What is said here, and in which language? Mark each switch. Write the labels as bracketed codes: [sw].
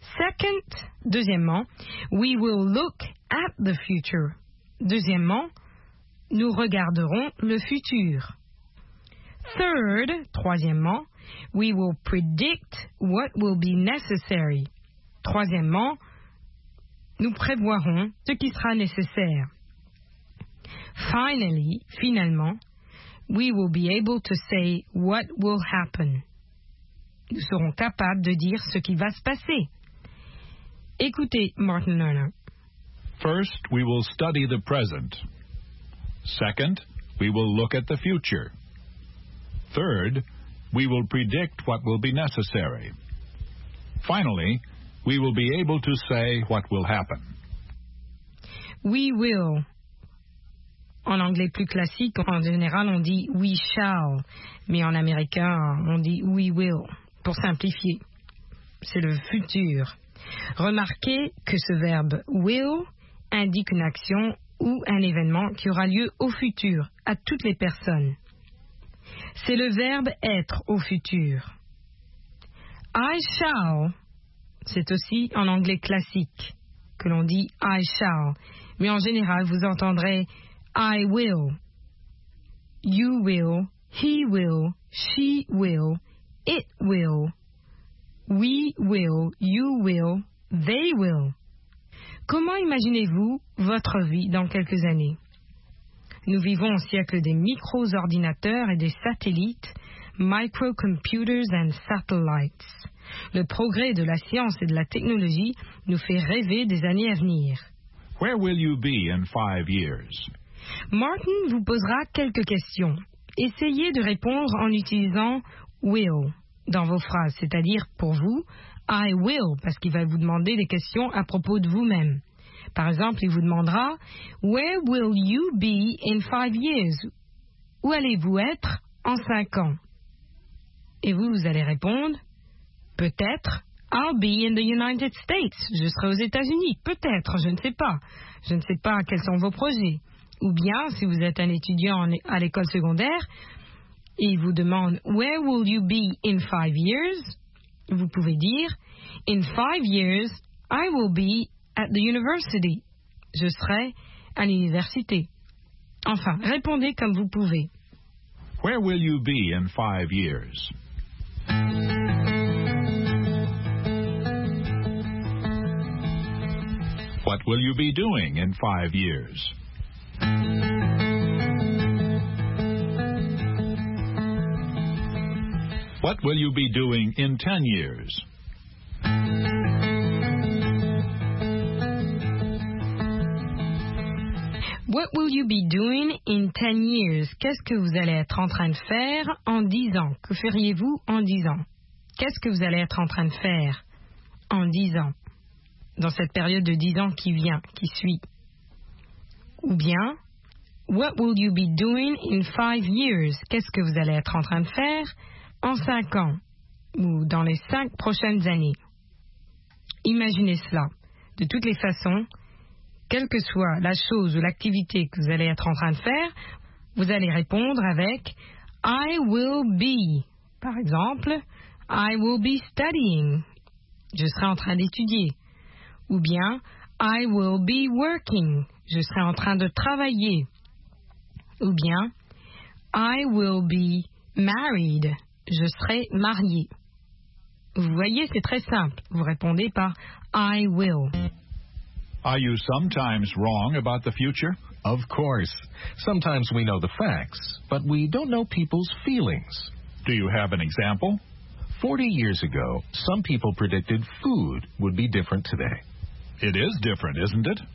[en] Second, deuxièmement, « we will look at the future. » [fr] Deuxièmement, nous regarderons le futur. [en] Third, troisièmement, we will predict what will be necessary. [fr] Troisièmement, nous prévoirons ce qui sera nécessaire. [en] Finally, finalement, we will be able to say what will happen. [fr] Nous serons capables de dire ce qui va se passer. Écoutez Martin Lerner. [en] First, we will study the present. Second, we will look at the future. Third, we will predict what will be necessary. Finally, we will be able to say what will happen. We will. [fr] En anglais plus classique, en général, on dit we shall. Mais en américain, on dit we will. Pour simplifier, c'est le futur. Remarquez que ce verbe will indique une action ou un événement qui aura lieu au futur, à toutes les personnes. C'est le verbe être au futur. I shall, c'est aussi en anglais classique que l'on dit I shall, mais en général vous entendrez [en] I will, you will, he will, she will, it will, we will, you will, they will. [fr] Comment imaginez-vous votre vie dans quelques années? Nous vivons au siècle des micro-ordinateurs et des satellites, [en] microcomputers and satellites. [fr] Le progrès de la science et de la technologie nous fait rêver des années à venir. [en] Where will you be in 5 years? [fr] Martin vous posera quelques questions. Essayez de répondre en utilisant will dans vos phrases, c'est-à-dire pour vous, I will, parce qu'il va vous demander des questions à propos de vous-même. Par exemple, il vous demandera « [en] Where will you be in 5 years? [fr] » Où allez-vous être en 5 ans? Et vous, vous allez répondre « Peut-être, [en] I'll be in the United States. [fr] » Je serai aux États-Unis. Peut-être, je ne sais pas. Je ne sais pas quels sont vos projets. Ou bien, si vous êtes un étudiant à l'école secondaire, il vous demande « [en] Where will you be in 5 years? [fr] » Vous pouvez dire « [en] In 5 years, I will be at the university. [fr] » Je serai à l'université. Enfin, répondez comme vous pouvez. [en] Where will you be in 5 years? What will you be doing in 5 years? What will you be doing in 10 years? What will you be doing in 10 years? [fr] Qu'est-ce que vous allez être en train de faire en 10 ans? Que feriez-vous en 10 ans? Qu'est-ce que vous allez être en train de faire en 10 ans? Dans cette période de 10 ans qui vient, qui suit. Ou bien, [en] what will you be doing in 5 years? [fr] Qu'est-ce que vous allez être en train de faire en 5 ans? Ou dans les 5 prochaines années? Imaginez cela. De toutes les façons, quelle que soit la chose ou l'activité que vous allez être en train de faire, vous allez répondre avec I will be. Par exemple, [en] I will be studying. [fr] Je serai en train d'étudier. Ou bien, [en] I will be working. [fr] Je serai en train de travailler. Ou bien, [en] I will be married. [fr] Je serai marié. Vous voyez, c'est très simple. Vous répondez par I will. [en] Are you sometimes wrong about the future? Of course. Sometimes we know the facts, but we don't know people's feelings. Do you have an example? 40 years ago, some people predicted food would be different today. It is different, isn't it?